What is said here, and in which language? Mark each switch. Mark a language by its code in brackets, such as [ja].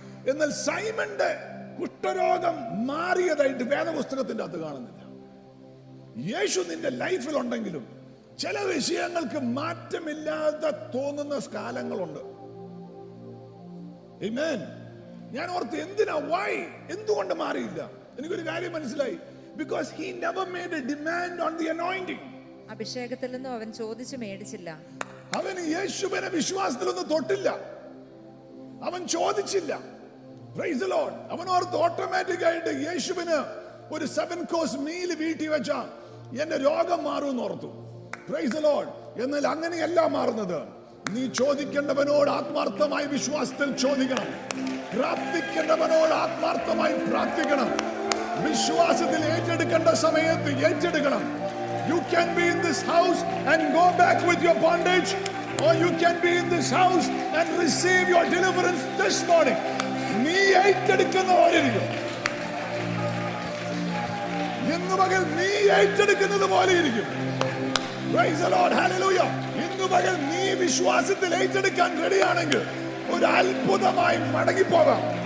[ml] എന്നാൽ സൈമന്റെ കുഷ്ഠരോഗം മാറിയതായിട്ട് വേദപുസ്തകത്തിന്റെ അത് കാണുന്നില്ല. യേശു നിന്റെ ലൈഫിൽ ഉണ്ടെങ്കിലും ചില വിഷയങ്ങൾക്ക് മാറ്റമില്ലാതെ തോന്നുന്ന കാലങ്ങളുണ്ട്. ആമേൻ. ഞാൻ ഓർത്ത് എന്തിനാ, വൈ, എന്തുകൊണ്ട് മാറിയില്ല? എനിക്കൊരു കാര്യം മനസ്സിലായി. [en] Because he never made a demand on the anointing. [ml] അഭിഷേകത്തിലൊന്നും അവൻ ചോദിച്ചു മേടിച്ചില്ല. അവൻ യേശുവിനെ വിശ്വാസത്തിലൊന്നും തൊട്ടില്ല. അവൻ ചോദിച്ചില്ല. [en] Praise the Lord. [ml] അവൻ ഓർത്ത് ഓട്ടോമാറ്റിക് ആയിട്ട് യേശുവിന് ഒരു 7-course meal വീട്ടിൽ വെച്ചാ എന്റെ രോഗം മാറും എന്ന് ഓർത്തു. [en] Praise the Lord. [ml] എന്നാൽ അങ്ങനെയല്ല മാറുന്നത്. നീ ചോദിക്കേണ്ടവനോട് ആത്മാർത്ഥമായി വിശ്വാസത്തിൽ ചോദിക്കണം. പ്രാർത്ഥിക്കേണ്ടവനോട് ആത്മാർത്ഥമായി പ്രാർത്ഥിക്കണം. വിശ്വാസത്തിൽ ഏറ്റെടുക്കേണ്ട സമയത്ത് ഏറ്റെടുക്കണം. [en] You can be in this house and go back with your bondage, or you can be in this house and receive your deliverance this morning. [ml] നീ ഏറ്റെടുക്കുന്ന പോലെയിരിക്കും. ഇന്ന് പകൽ നീ ഏറ്റെടുക്കുന്നത് പോലെയിരിക്കും. [en] Praise the Lord. Hallelujah. [ml] ഇന്ന് പകൽ നീ വിശ്വാസത്തിൽ ഏറ്റെടുക്കാൻ റെഡിയാണെങ്കിൽ ഒരു അത്ഭുതമായി മടങ്ങിപ്പോകാം.